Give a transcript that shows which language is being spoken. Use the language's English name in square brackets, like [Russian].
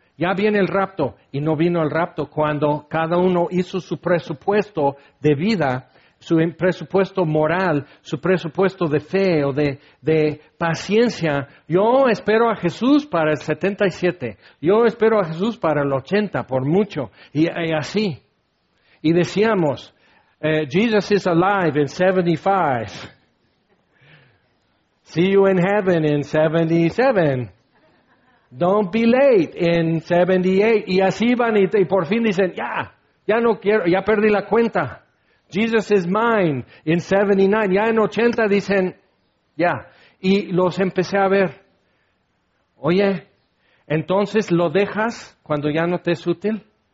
[Spanish] Ya viene el rapto, y no vino el rapto cuando cada uno hizo su presupuesto de vida, su presupuesto moral, su presupuesto de fe o de paciencia. Yo espero a Jesús para el 77, yo espero a Jesús para el 80, por mucho, y así. Y decíamos, [English] Jesus is alive in 75, see you in heaven in 77. Don't be late in 78. [Spanish] Y así van y por fin dicen, ya no quiero, ya perdí la cuenta. [English] Jesus is mine in 79. [Spanish] Ya en 80 dicen, ya. Y los empecé a ver. Oye, entonces lo dejas cuando ya no te es útil.